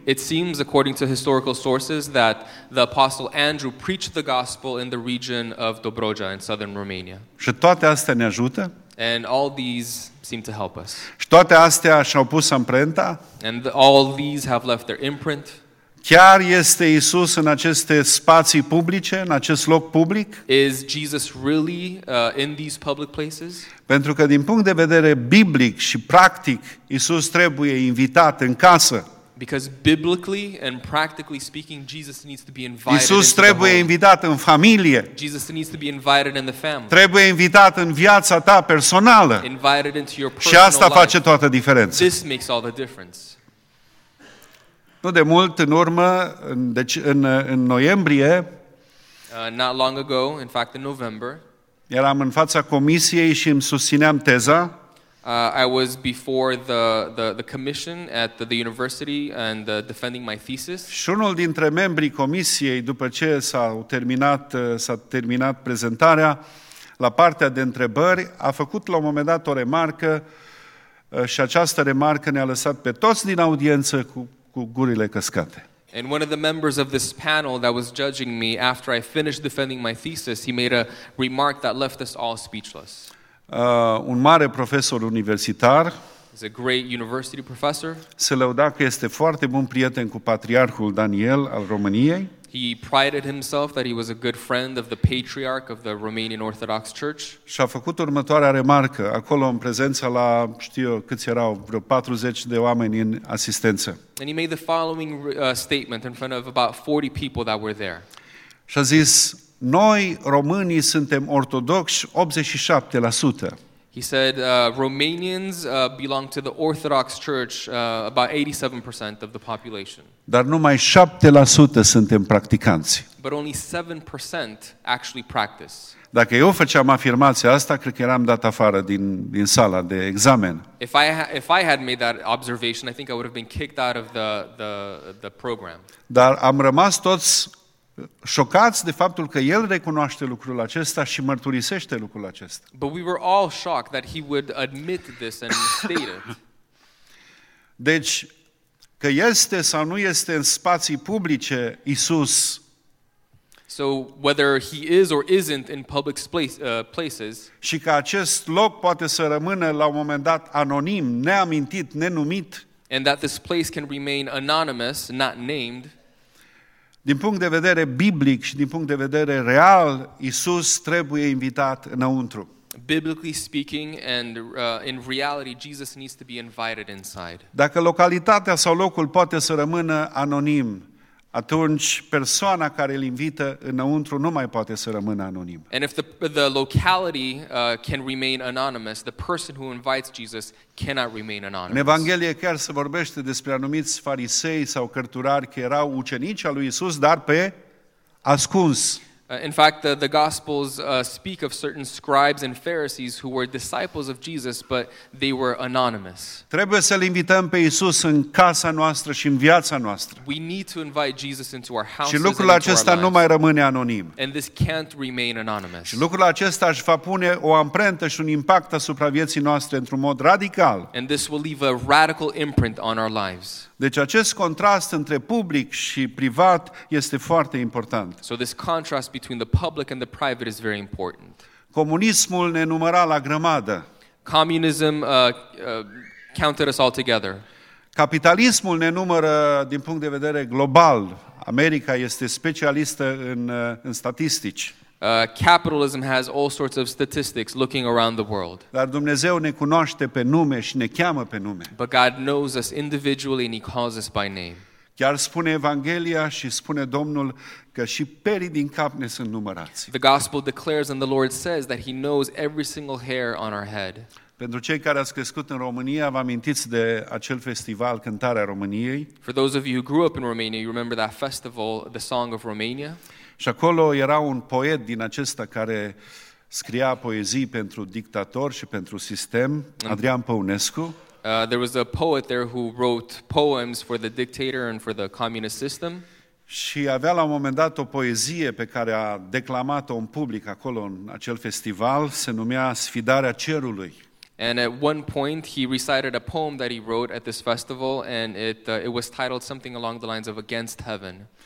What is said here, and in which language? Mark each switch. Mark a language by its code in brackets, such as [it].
[en] It seems, according to historical sources, that the apostle Andrew preached the gospel in the region of Dobrogea, in southern Romania. [ro] Și toate astea ne ajută? [en] And all these seem to help us. [ro] Și toate astea și-au pus amprenta? [en] And all these have left their imprint. [ro] Chiar este Iisus în aceste spații publice, în acest loc public? [en] Is Jesus really in these public places? [ro] Pentru că din punct de vedere biblic și practic, Iisus trebuie invitat în casă. [en] Because biblically and practically speaking, Jesus needs to be invited. [ro] Iisus trebuie invitat în familie. [en] Jesus needs to be invited in the family. [ro] Trebuie invitat în viața ta personală. [en] Invited into your personal life. [ro] Și asta face toată diferența. [en] This makes all the difference. [ro] Nu de mult în urmă, în noiembrie, [en] not long ago, in fact in November, [ro] eram în fața comisiei și îmi susțineam teza. [en] I was before the commission at the university and defending my thesis. [ro] Și unul dintre membrii comisiei, după ce s-a terminat prezentarea, la partea de întrebări, a făcut la un moment dat o remarcă și această remarcă ne-a lăsat pe toți din audiență cu gurile căscate. [en] And one of the members of this panel that was judging me after I finished defending my thesis, he made a remark that left us all speechless. [ro] Un mare profesor universitar. [en] He's a great university professor. [ro] Se lăuda că este foarte bun prieten cu patriarhul Daniel al României. [en] He prided himself that he was a good friend of the patriarch of the Romanian Orthodox Church. [ro] Și a făcut următoarea remarcă acolo în prezența la, știu eu, câți erau, vreo 40 de oameni în asistență. [en] And he made the following statement in front of about 40 people that were there. [ro] Și a zis: noi românii suntem ortodoxi 87%. [en] He said Romanians belong to the Orthodox Church about 87% of the population. [ro] Dar numai 7% suntem practicanți. [en] But only 7% actually practice. [ro] Dacă eu făceam afirmația asta, cred că eram dat afară din sala de examen. [en] If I had made that observation, I think I would have been kicked out of the program. [ro] Dar am rămas toți șocați de faptul că el recunoaște lucrul acesta și mărturisește lucrul acesta. [en] But we were all shocked that he would admit this and state it. [ro] Deci, că este sau nu este în spații publice Iisus. [en] So whether he is or isn't in public places. [ro] Și că acest loc poate să rămână la un moment dat anonim, neamintit, nenumit. [en] And that this place can remain anonymous, not named. [ro] Din punct de vedere biblic și din punct de vedere real, Iisus trebuie invitat înăuntru. [en] Biblically speaking and in reality, Jesus needs to be invited inside. [ro] Dacă localitatea sau locul poate să rămână anonim, atunci persoana care îl invită înăuntru nu mai poate să rămână anonim. [en] And if the locality can remain anonymous, the person who invites Jesus cannot remain anonymous. [ro] În Evanghelie chiar se vorbește despre anumiți farisei sau cărturari care erau ucenici al lui Iisus, dar pe ascuns. [en] In fact, the Gospels speak of certain scribes and Pharisees who were disciples of Jesus, but they were anonymous. [ro] Trebuie să-L invităm pe Iisus în casa noastră și în viața noastră. [en] We need to invite Jesus into our houses. [ro] Și lucrul acesta nu mai rămâne anonim. [en] And this can't remain anonymous. [ro] Și lucrul acesta își va pune o amprentă și un impact asupra vieții noastre într-un mod radical. [en] And this will leave a radical imprint on our lives. [ro] Deci acest contrast între public și privat este foarte important. [en] So this contrast between the public and the private is very important. [ro] Comunismul ne număra la grămadă. [en] Communism counted us all together. [ro] Capitalismul ne numără din punct de vedere global, America este specialistă în statistici. [en] Capitalism has all sorts of statistics looking around the world. [ro] Dar Dumnezeu ne cunoaște pe nume și ne cheamă pe nume. [en] But God knows us individually and he calls us by name. [ro] Chiar spune Evanghelia și spune Domnul că și perii din cap ne sunt numărați. [en] The gospel declares and the Lord says that he knows every single hair on our head. [ro] Pentru cei care ați crescut în România, vă amintiți de acel festival Cântarea României? [en] For those of you who grew up in Romania, you remember that festival, the Song of Romania? [ro] Și acolo era un poet din acesta care scria poezii pentru dictator și pentru sistem, Adrian Păunescu. [en] There was a poet there who wrote poems for the dictator and for the communist system. [ro] Și avea la un moment dat o poezie pe care a declamat-o în public acolo în acel festival, se numea Sfidarea Cerului. [en] And at one point he recited a poem that he wrote at this festival and it was titled something along the lines of Against Heaven.